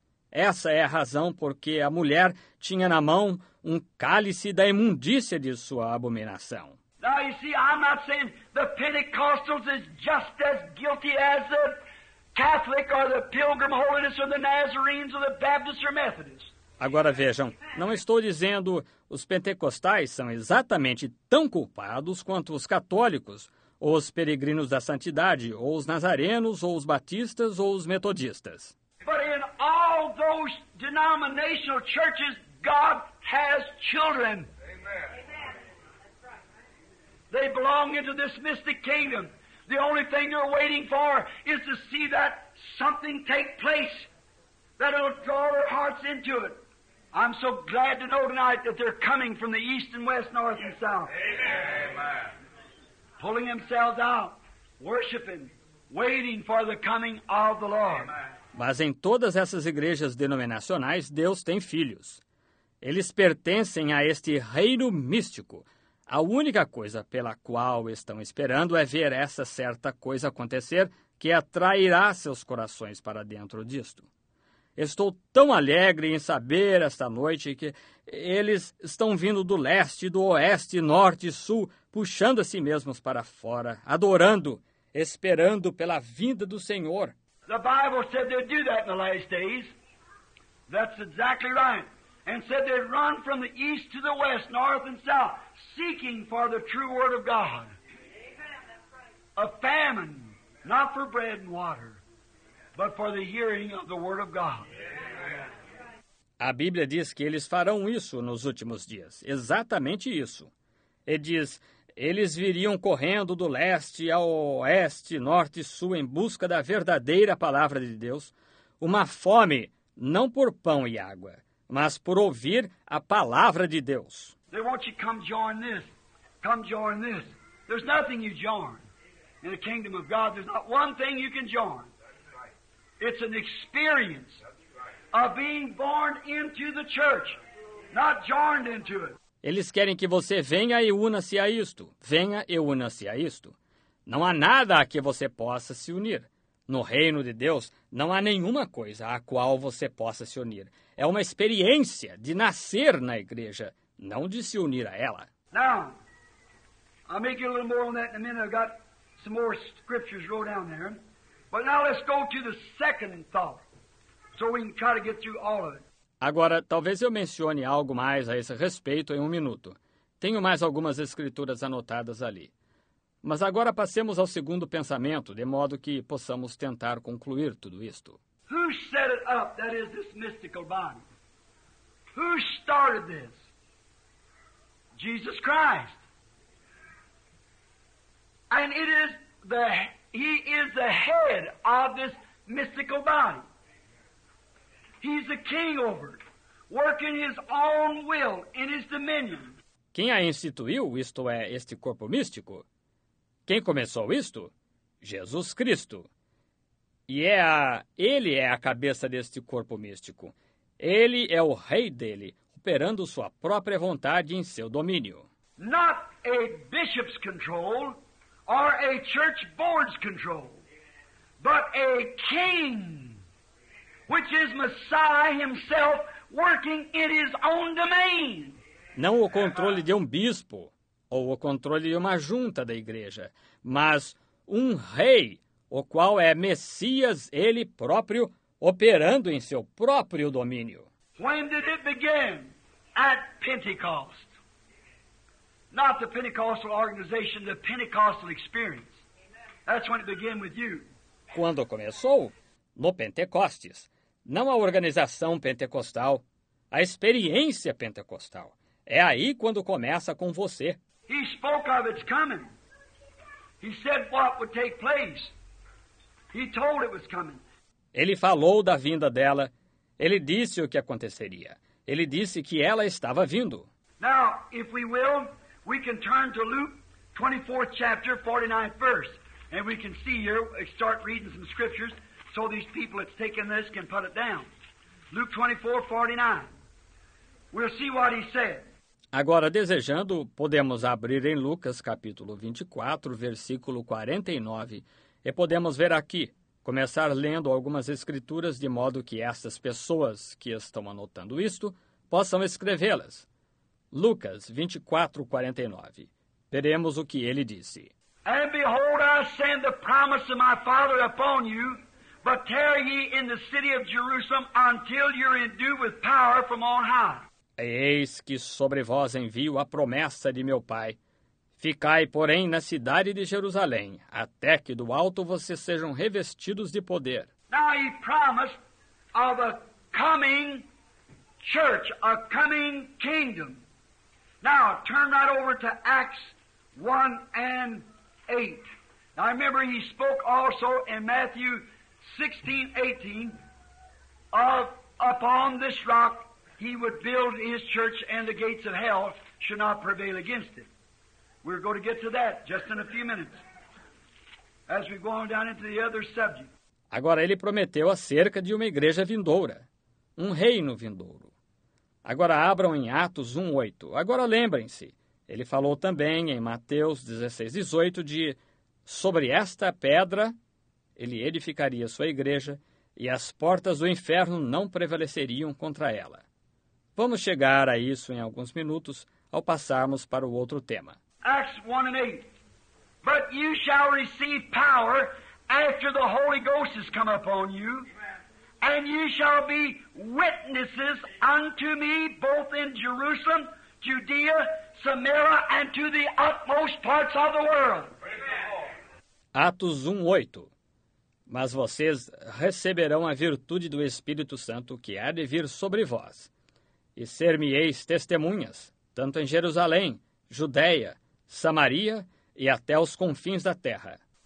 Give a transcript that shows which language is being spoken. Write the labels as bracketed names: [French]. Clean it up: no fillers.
[Portuguese] Essa é a razão porque a mulher tinha na mão um cálice da imundícia de sua abominação. [English] Now you see, I'm not saying the Pentecostals is just as guilty as the Catholic or the Pilgrim Holiness or the Nazarenes or the Baptist or Methodist. [Portuguese] Agora vejam, não estou dizendo os pentecostais são exatamente tão culpados quanto os católicos, ou os peregrinos da santidade, ou os nazarenos, ou os batistas, ou os metodistas. [English] But in all those denominational churches, God has children. Amen. They belong into this mystic kingdom. The only thing they're waiting for is to see that something take place that will draw their hearts into it. I'm so glad to know tonight that they're coming from the east and west, north and south. Amen. Pulling themselves out, worshiping, waiting for the coming of the Lord. Amen. [Portuguese] Mas em todas essas igrejas denominacionais, Deus tem filhos. Eles pertencem a este reino místico. A única coisa pela qual estão esperando é ver essa certa coisa acontecer que atrairá seus corações para dentro disto. Estou tão alegre em saber esta noite que eles estão vindo do leste, do oeste, norte e sul, puxando a si mesmos para fora, adorando, esperando pela vinda do Senhor. [English] The Bible said they'd do that in the last days. That's exactly right. And said they'd run from the east to the west, north and south, seeking for the true word of God. Amen, that's right. A famine, not for bread and water, but for the hearing of the word of God. [Portuguese] A Bíblia diz que eles farão isso nos últimos dias, exatamente isso. E diz, eles viriam correndo do leste ao oeste, norte e sul, em busca da verdadeira palavra de Deus, uma fome, não por pão e água, mas por ouvir a palavra de Deus. [English] They want you to come join this. Come join this. There's nothing you join. In the kingdom of God, there's not one thing you can join. It's an experience of being born into the church, not joined into it. [Portuguese] Eles querem que você venha e una-se a isto. Venha e una-se a isto. Não há nada a que você possa se unir. No reino de Deus, não há nenhuma coisa a qual você possa se unir. É uma experiência de nascer na igreja, não de se unir a ela. [English] Now, I'll make you a little more on that in a minute. I've got some more scriptures wrote down there. But now let's go to the second thought, so we can try to get through all of it. [Portuguese] Agora, talvez eu mencione algo mais a esse respeito em um minuto. Tenho mais algumas escrituras anotadas ali. Mas agora passemos ao segundo pensamento, de modo que possamos tentar concluir tudo isto. [English] Who set it up, that is, this mystical body? Who started this? Jesus Christ. And it is the, he is the head of this mystical body. He's the king over it, working his own will in his dominion. [Portuguese] Quem a instituiu, isto é, este corpo místico? Quem começou isto? Jesus Cristo. E ele é a cabeça deste corpo místico. Ele é o rei dele, operando sua própria vontade em seu domínio. [English] Not a bishop's control or a church board's control, but a king, which is Messiah himself working in his own domain. [Portuguese] Não o controle de um bispo ou o controle de uma junta da igreja, mas um rei, o qual é Messias ele próprio, operando em seu próprio domínio. [English] When did it begin? At Pentecost. Not the Pentecostal organization, the Pentecostal experience. That's when it began with you. [Portuguese] Quando começou? No Pentecostes. Não a organização pentecostal, a experiência pentecostal. É aí quando começa com você. [English] He spoke of its coming. He said what would take place. He told it was coming. [Portuguese] Ele falou da vinda dela. Ele disse o que aconteceria. Ele disse que ela estava vindo. [English] Now, if we will, we can turn to Luke 24th chapter, 49th verse. And we can see here, start reading some scriptures, so these people that's taking this can put it down. Luke 24:49. We'll see what he said. [Portuguese] Agora, desejando, podemos abrir em Lucas, capítulo 24, versículo 49, e podemos ver aqui, começar lendo algumas escrituras de modo que essas pessoas que estão anotando isto possam escrevê-las. Lucas 24, 49. Veremos o que ele disse. [English] And behold, I send the promise of my Father upon you, but tarry ye in the city of Jerusalem until you're endued with power from on high. [Portuguese] Eis que sobre vós envio a promessa de meu Pai. Ficai, porém, na cidade de Jerusalém, até que do alto vocês sejam revestidos de poder. [English] Now he promised of a coming church, a coming kingdom. Now, turn right over to Acts 1 and 8. Now, remember, he spoke also in Matthew 16:18 of upon this rock he would build his church, and the gates of hell should not prevail against it. We're going to get to that just in a few minutes as we go on down into the other subject. [Portuguese] Agora, ele prometeu acerca de uma igreja vindoura, um reino vindouro. Agora, abram em Atos 1:8. Agora, lembrem-se, ele falou também em Mateus 16:18 de sobre esta pedra ele edificaria sua igreja e as portas do inferno não prevaleceriam contra ela. Vamos chegar a isso em alguns minutos, ao passarmos para o outro tema. [English] Acts 1 and 8. But you shall receive power after the Holy Ghost has come upon you, and you shall be witnesses unto me both in Jerusalem, Judea, Samaria, and to the utmost parts of the world. [Portuguese] Atos 1, 8. Mas vocês receberão a virtude do Espírito Santo que há de vir sobre vós. E ser-me-eis testemunhas, tanto em Jerusalém, Judeia, Samaria e até os confins da terra.